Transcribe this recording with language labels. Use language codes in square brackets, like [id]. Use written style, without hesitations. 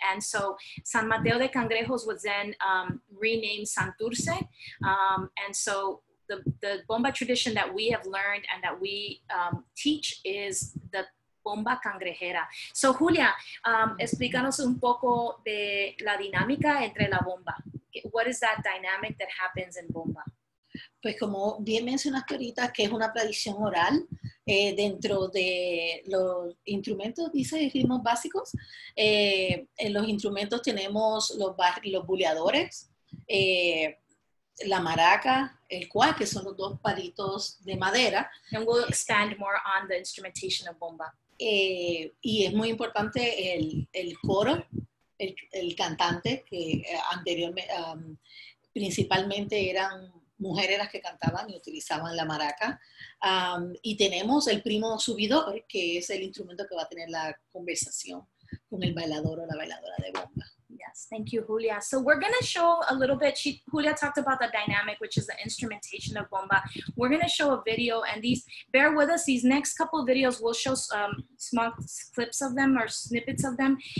[en] And so San Mateo de Cangrejos was then renamed Santurce. And so the bomba tradition that we have learned and that we teach is the bomba cangrejera. [es] So Julia, explícanos un poco de la dinámica entre la bomba. [en] What is that dynamic that happens in bomba? [es] Pues como bien mencionaste ahorita, que es una tradición oral, dentro de los instrumentos, dice, ritmos básicos, en los instrumentos tenemos los buleadores, la maraca, el cual, que son los dos palitos de madera. [en] And we'll expand more on the instrumentation of bomba. [es] Y es muy importante el coro, el cantante, que anteriormente, principalmente eran mujeres las que cantaban y utilizaban la maraca. Y tenemos el primo subidor, que es el instrumento que va a tener la conversación con el bailador o la bailadora de bomba. [en] Yes. Yes, thank you, Julia. So we're gonna show a little bit, Julia talked about the dynamic, which is the instrumentation of bomba. We're gonna show a video, and these, bear with us, these next couple of videos, we'll show small clips of them or snippets of them.